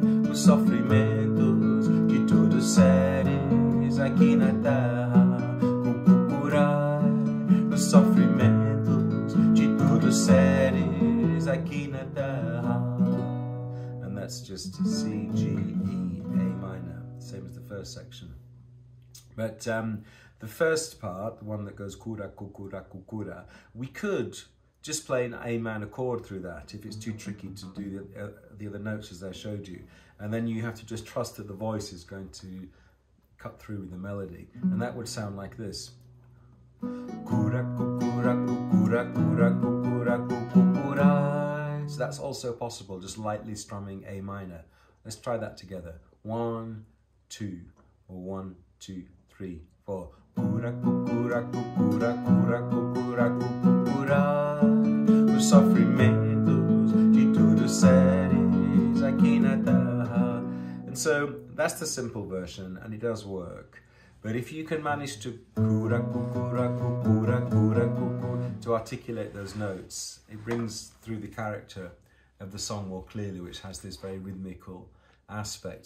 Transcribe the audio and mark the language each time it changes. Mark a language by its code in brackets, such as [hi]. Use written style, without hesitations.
[pt] Os sofrimentos de todos os seres aqui na Terra. Cucura. Os sofrimentos de todos os seres aqui na Terra. [en] And that's just C, G, E, A minor. Same as the first section. But the first part, the one that goes cura, cucura, cucura, we could just play an A minor chord through that if it's too tricky to do the other notes as I showed you. And then you have to just trust that the voice is going to cut through with the melody. And that would sound like this. Cura, cucura, cucura, cucura, cucura, cucura. So that's also possible, just lightly strumming A minor. Let's try that together. One, two, or one, two, three, four. Cura, cucura, cucura, cucura, cucura, cucura. [pt] Os sofrimentos de todos os seres aqui na terra. [en] And so that's the simple version, and it does work. But if you can manage to cura, cucura, cucura, cucura, cucura, to articulate those notes, it brings through the character of the song more clearly, which has this very rhythmical aspect.